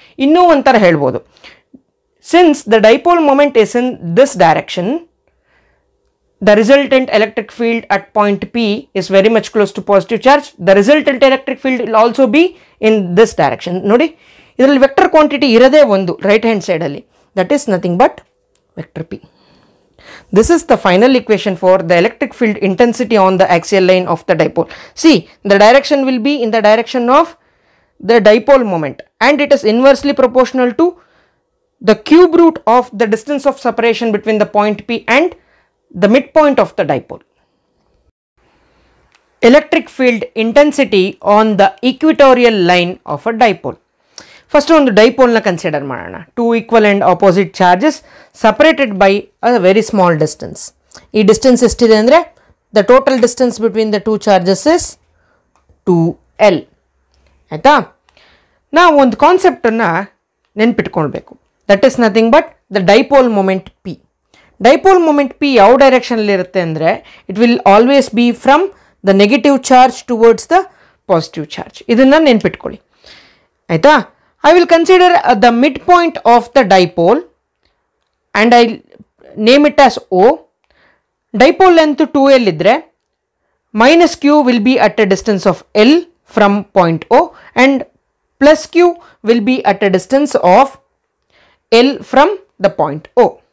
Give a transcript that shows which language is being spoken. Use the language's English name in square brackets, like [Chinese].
[Kannada] ಇನ್ನೂ ಒಂಥರ ಹೇಳ್ಬೋದು, [English] Since the dipole moment is in this direction, the resultant electric field at point P is very much close to positive charge, the resultant electric field will also be in this direction. [Kannada] ನೋಡಿ, ಇದರಲ್ಲಿ [English] vector quantity [Kannada] ಇರೋದೇ ಒಂದು [English] Right hand ಸೈಡಲ್ಲಿ, that is nothing but vector P. This is the final equation for the electric field intensity on the axial line of the dipole. See, the direction will be in the direction of the dipole moment and it is inversely proportional to the cube root of the distance of separation between the point P and the midpoint of the dipole. Electric field intensity on the equatorial line of a dipole. [Kannada] First ಒಂದು ಡೈಪೋಲ್ನ consider ಮಾಡೋಣ. [English] Two equal and opposite charges separated by a very small distance. [Kannada] ಈ distance ಎಷ್ಟಿದೆ ಅಂದರೆ [English] The total distance between the two charges is two L. [Kannada] ಆಯಿತಾ? ನಾವು ಒಂದು ಕಾನ್ಸೆಪ್ಟನ್ನು ನೆನ್ಪಿಟ್ಕೊಳ್ಬೇಕು, [English] That is nothing but the dipole moment P. Dipole moment P [Kannada] ಯಾವ ಡೈರೆಕ್ಷನಲ್ಲಿರುತ್ತೆ ಅಂದರೆ [English] It will always be from the negative charge towards the positive charge. [Kannada] ಇದನ್ನು ನೆನ್ಪಿಟ್ಕೊಳ್ಳಿ. ಆಯಿತಾ? [English] I will consider the midpoint of the dipole and I name it as O. Dipole length 2L [Kannada] idre [English] minus Q will be at a distance of L from point O and plus Q will be at a distance of L from the point O.